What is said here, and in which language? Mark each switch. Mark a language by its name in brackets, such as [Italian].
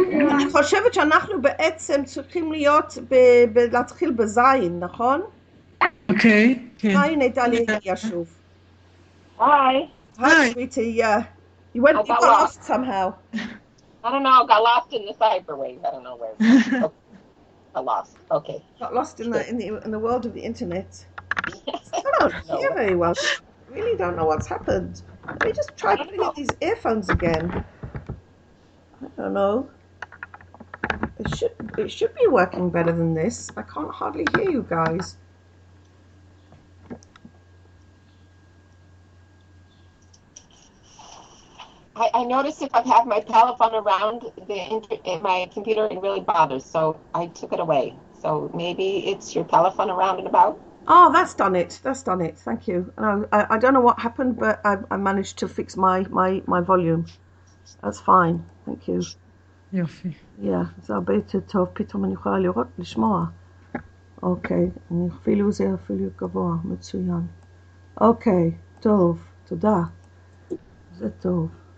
[Hebrew] אני חושבת שאנחנו בעצם צריכים להיות, להתחיל בזין, נכון? אוקיי, כן. היי, נדע לי הגיע שוב. היי. [English] היי, שוויטי, you got lost somehow. I don't know, I got lost in the cyber wave, I don't know where. Oh, I lost, okay. Got lost in the world of the internet. I don't hear very well. Really don't know what's happened. Let me just try putting these earphones again. I don't know. It should be working better than this. I can't hardly hear you guys. I notice if I have my telephone around my computer, it really bothers, so I took it away. So maybe it's your telephone around and about? Oh, that's done it. That's done it. Thank you. I don't know what happened, but I managed to fix my volume. That's fine. Thank you. [Hebrew] יופי. Yeah, זה הרבה יותר טוב. פתאום אני יכולה לראות, לשמוע. אוקיי, אני אפילו זה אפילו גבוה. מצוין. אוקיי, טוב. תודה. זה טוב.